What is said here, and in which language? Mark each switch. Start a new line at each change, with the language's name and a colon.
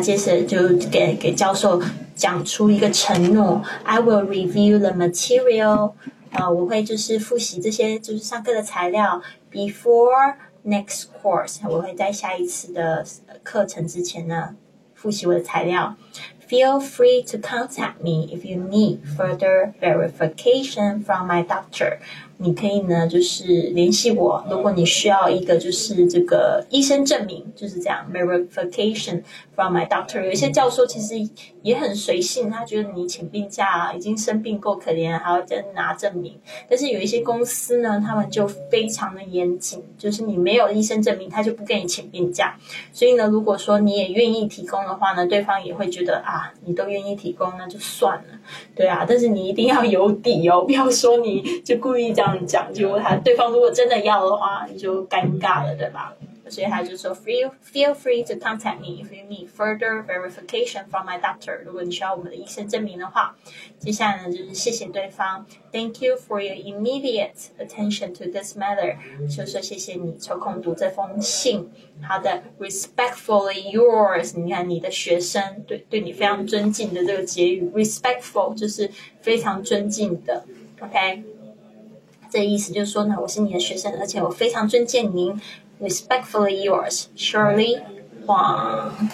Chinese: 他接着就给教授讲出一个承诺。
English: I will review the material.
Chinese: 我会就是复习这些就是上课的材料
English: before next course.
Chinese: 我会在下一次的课程之前呢复习我的材料。
English: Feel free to contact me if you need further verification from my doctor.
Chinese: 你可以呢就是联系我，如果你需要一个就是这个医生证明，就是这样
English: verification from my doctor.
Chinese: 有些教授其实也很随性，他觉得你请病假已经生病够可怜，还要再拿证明。但是有一些公司呢，他们就非常的严谨，就是你没有医生证明，他就不给你请病假。所以呢，如果说你也愿意提供的话呢，对方也会觉得啊，你都愿意提供，那就算了，对啊。但是你一定要有底哦，不要说你就故意这样讲，结果他对方如果真的要的话，你就尴尬了，对吧？所以他就说
English: feel free to contact me if you need further verification from my doctor.
Chinese: 如果你需要我们的医生证明的话，接下来呢就是谢谢对方 ，
English: Thank you for your immediate attention to this matter.
Chinese: 就说谢谢你抽空读这封信。好的
English: ，respectfully yours.
Chinese: 你看你的学生对你非常尊敬的这个结语 ，respectful 就是非常尊敬的 ，OK。这意思就是说呢，我是你的学生，而且我非常尊敬您。
English: Respectfully yours, Shirley Huang.